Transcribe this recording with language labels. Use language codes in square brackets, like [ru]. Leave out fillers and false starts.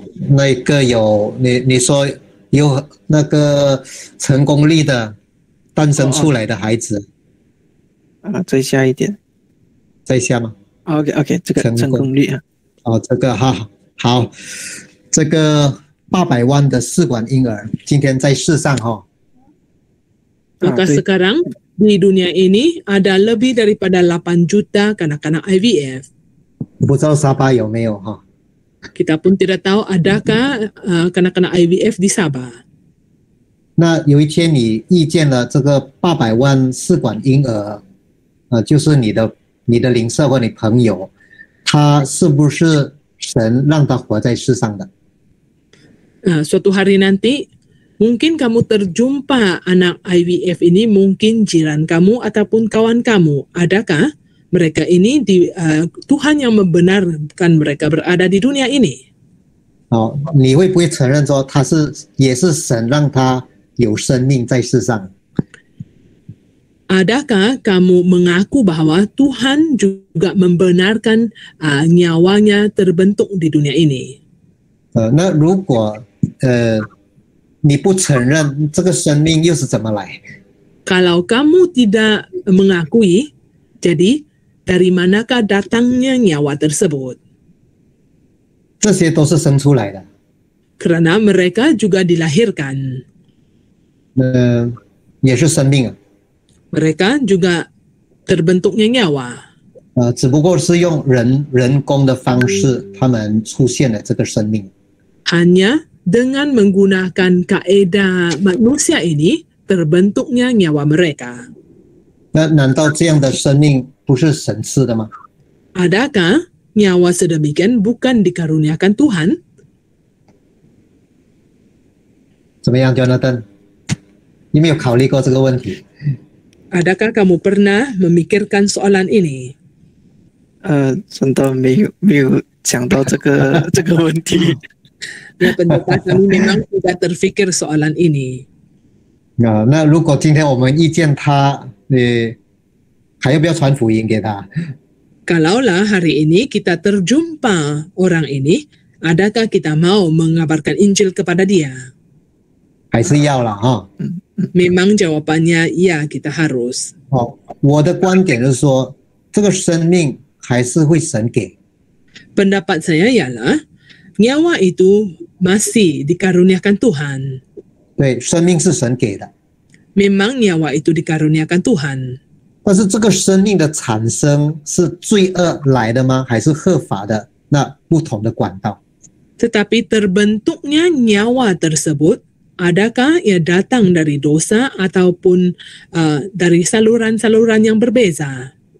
[zh] 那一个有你说有那个成功率的诞生出来的孩子再下一点，再下吗？ OK OK， 这个成功率啊，哦，这个哈好，这个800万的试管婴儿今天在世上哈。 [ms] Maka sekarang di dunia ini ada lebih daripada 8 juta kanak-kanak IVF. Bukan Sabah, ya, Mio. Kita pun tidak tahu adakah kanak-kanak IVF di Sabah. [zh] Nah, 有一天你遇见了这个八百万试管婴儿，就是你的邻舍或你朋友，他是不是神让他活在世上的？ [ms] Suatu hari nanti. Mungkin kamu terjumpa anak IVF ini, mungkin jiran kamu ataupun kawan kamu. Adakah mereka ini di, Tuhan yang membenarkan mereka berada di dunia ini? [zh] Oh, 你会不会承认说他是也是神让他有生命在世上？ [ms] Adakah kamu mengaku bahwa Tuhan juga membenarkan nyawanya terbentuk di dunia ini? [zh] 那如果你不承认这个生命又是怎么来？ [ms] Kalau kamu tidak mengakui, jadi dari manakah datangnya nyawa tersebut? [zh] 这些都是生出来的。 [ms] Karena mereka juga dilahirkan. [zh] 也是生命啊。 [ms] Mereka juga terbentuknya nyawa. [zh] 只不过是用人工的方式，他们出现了这个生命。 [ms] Hanya dengan menggunakan kaedah manusia ini terbentuknya nyawa mereka. [zh] 那难道这样的生命不是神赐的吗？ [ms] Adakah nyawa sedemikian bukan dikaruniakan Tuhan? [zh] 怎么样 Jonathan? 你没有考虑过这个问题？ [ms] Adakah kamu pernah memikirkan soalan ini? [zh] 真的没有想到这个这个问题。 [ms] 那pendeta kami memang tidak terfikir soalan ini. [zh] 那如果今天我们遇见他，你还要不要传福音给他？ [ms] Kalaulah hari ini kita terjumpa orang ini, adakah kita mau mengabarkan Injil kepada dia? [zh] 还是要了哈。 [ms] Memang jawabannya ya, kita harus. [zh] 我的观点是说，这个生命还是会神给。 [ms] Pendapat saya ialah. Nyawa itu masih dikaruniakan Tuhan. [zh] 对，生命是神给的。 [ms] Memang nyawa itu dikaruniakan Tuhan. [zh] 但是这个生命的产生是罪恶来的吗？还是合法的？那不同的管道。 [ms] Tetapi terbentuknya nyawa tersebut, adakah ia datang dari dosa ataupun dari saluran-saluran yang berbeza?